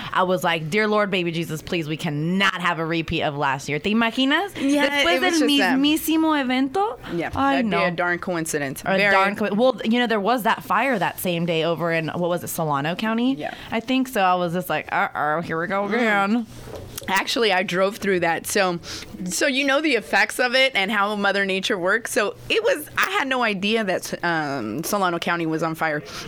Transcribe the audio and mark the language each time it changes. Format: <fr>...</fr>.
<en>I was like, dear Lord, baby Jesus, please, we cannot have a repeat of last year.</en> <es>¿Te imaginas?</es> <en>Yeah,</en> <es>después del mismísimo evento.</es> <en>Yeah, I know. That'd be a darn coincidence. You know, there was that fire that same day over in, what was it, Solano County? Yeah. I think so. I was just like, here we go again. Actually, I drove through that. So you know the effects of it and how Mother Nature works. So it was, I had no idea that Solano County was on fire.</en>